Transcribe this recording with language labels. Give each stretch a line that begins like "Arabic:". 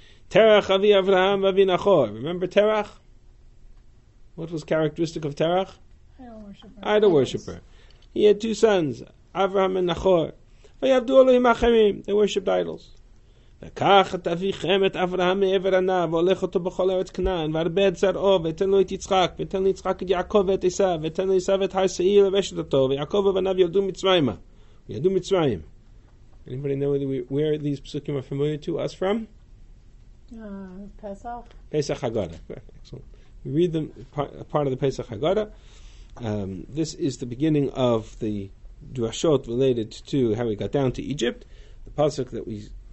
Hebrew: Terach Avi Avraham Avi Nachor.
English: Remember Terach? What was characteristic of Terach? Idol worshiper. He had two sons, Avraham and Nachor. They worshipped idols.
Hebrew: וכך תביכם את אברהם מעבר ענה, והולך אותו בכל ארץ כנען, והרבה את זרעו, ותן לו את יצחק, ותן ליצחק את יעקב ואת עשיו, ותן לעשיו את הר שעיר לרשת אותו, ויעקב ובניו ילדו מצרימה. ילדו מצרים.
English: Anybody know where these psukim are familiar to us from? Pesach Haggadah. Excellent. We read them, part of the Pesach Haggadah. This is the beginning of the drashot related to how we got down to Egypt. The pasuk that we...